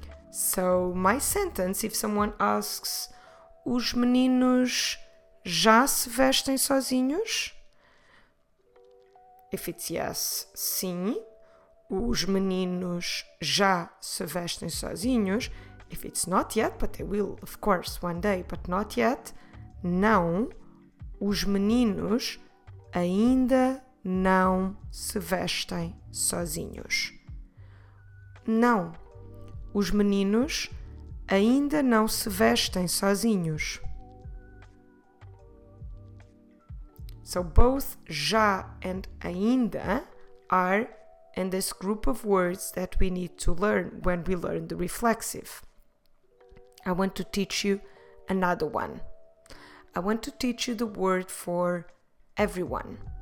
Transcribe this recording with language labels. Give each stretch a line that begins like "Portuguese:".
English: So, my sentence, if someone asks,
Portuguese: os meninos já se vestem sozinhos?
English: If it's yes,
Portuguese: sim. Os meninos já se vestem sozinhos.
English: If it's not yet, but they will, of course, one day, but not yet.
Portuguese: Não, os meninos ainda não se vestem sozinhos. Não, os meninos ainda não se vestem sozinhos.
English: So both já and ainda are in this group of words that we need to learn when we learn the reflexive. I want to teach you another one. I want to teach you the word for everyone.